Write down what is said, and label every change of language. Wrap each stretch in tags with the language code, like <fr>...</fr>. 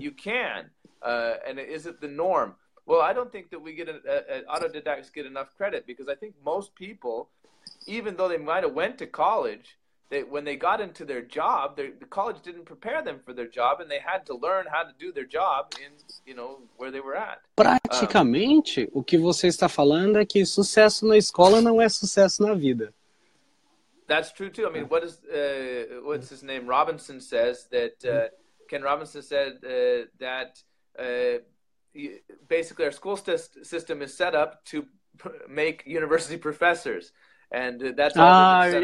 <en>You can. And is it the norm? Well, I don't think that we get autodidacts get enough credit because I think most people, even though they might have went to college, when they got into their job, the college didn't prepare them for their job, and they had to learn how to do their job in, you know, where they were at.</en> <pt>Praticamente, o que você está falando é que sucesso na escola não é sucesso na vida.</pt> <en>That's true too. I mean, what is what's his name? Robinson says that Ken Robinson said that. Basically, our school system is set up to make university professors, and that's all.</en>